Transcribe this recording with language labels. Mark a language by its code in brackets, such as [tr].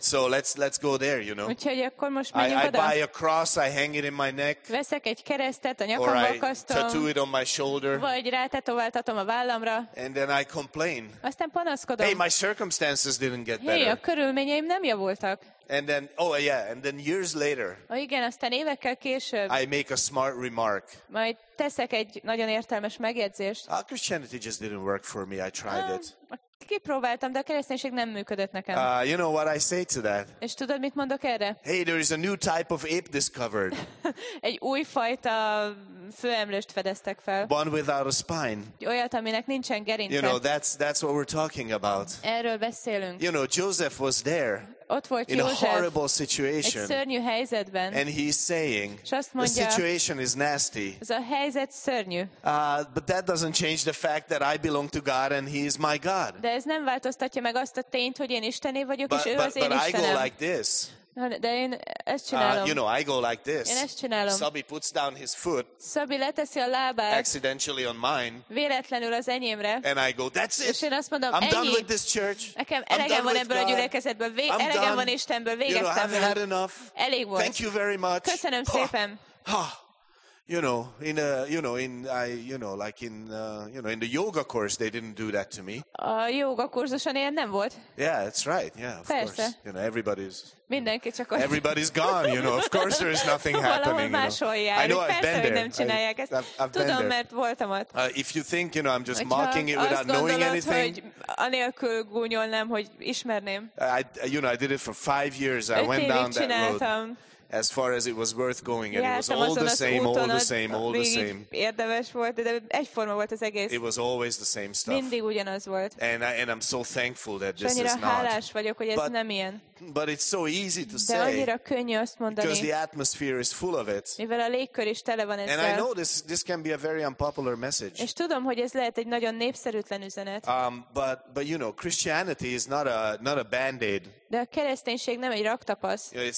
[en] So let's go there, you know. [hu] Úgyhogy akkor most megyünk oda. [en] I buy a cross, I hang it in my neck. [hu] Veszek egy keresztet a nyakamba akasztom. [en] Or I tattoo it on my shoulder. [hu] Vagy rátetováltatom a vállamra. [en] And then I complain. [hu] Aztán panaszkodom. [en] Hey, my circumstances didn't get better. [hu] Hey, a körülményeim nem javultak. [en] And then, oh yeah, and then years later. [hu] Oh, igen, aztán évekkel később. [en] I make a smart remark. [hu] Majd teszek egy nagyon értelmes megjegyzést. [en] Oh, Christianity just didn't work for me. I tried it. [hu] Kipróbáltam, de a kereszténység nem működött nekem. [en] You know what I say to that? [hu] És tudod, mit mondok erre? [en] Hey, there is a new type of ape discovered. [hu] Egy új fajta főemlőst fedeztek fel. [en] One without a spine. [hu] Olyat, aminek nincsen gerince. [en] You know, that's what we're talking about. [hu] Erről beszélünk. [en] You know, Joseph was there. [hu] Ott volt [en] in [hu] József, [en] a horrible situation. [hu] Egy szörnyű helyzetben. [en] And he's saying, [hu] mondja, [en] the situation is nasty. [hu] Ez a helyzet szörnyű. [en] But that doesn't change the fact that I belong to God and he is my God. [hu] De ez nem változtatja meg azt a tényt, hogy én Istené vagyok, [en] but, [hu] és ő [en] but, [hu] az én Istenem. [en] But I go like this. [hu] De én ezt csinálom. [en] You know, I go like this. [hu] Én ezt csinálom. [en] Szabi puts down his foot. [hu] Szabi leteszi a lábát. [en] Accidentally on mine. [hu] Véletlenül az enyémre. [en] And I go, that's it. [hu] És én azt mondom, [en] I'm done with this church. [hu] Nekem elegem van ebből [en] God. [hu] A gyülekezetből. Elegem van Istenből. Végeztem. [en] You know, I've had enough. [hu] Elég volt. [en] Thank you very much. [hu] Köszönöm szépen. [en] You know, in a, you know, in I, you know, like in, you know, in the yoga course, they didn't do that to me. [hu] A yoga kurzuson ilyen nem volt. [en] Yeah, that's right. Yeah, of [hu] persze. [en] Course. You know, everybody's. [hu] Mindenki csak ott. [en] Everybody's gone. You know, of course there is nothing happening. [hu] Valahol máshol jár. [en] I know [hu] persze, [en] I've been there. [hu] Nem csinálják ezt. [en] I've [hu] tudom, [en] been there. [hu] Mert voltam ott. [en] If you think, you know, I'm just mocking it without knowing anything. [hu] Hogyha azt gondolod, hogy anélkül gúnyolnám, hogy ismerném. [en] You know, I did it for 5 years. I went down that [hu] csináltam. [en] Road. As far as it was worth going, and it was all the same, all the same, all the same. [hu] Érdemes volt, de egyforma volt az egész. [en] It was always the same stuff. [hu] Mindig ugyanaz volt. [en] And I'm so thankful that this is not. [hu] Hálás vagyok, hogy ez nem ilyen. [en] But it's so easy to say. [hu] De annyira könnyű azt mondani. [en] Because the atmosphere is full of it. [hu] Mivel a légkör is tele van ezzel. [en] And I know this can be a very unpopular message. [hu] És tudom, hogy ez lehet egy nagyon népszerűtlen üzenet. [en] But you know, Christianity is not a band-aid. [hu] De a kereszténység nem egy raktapasz.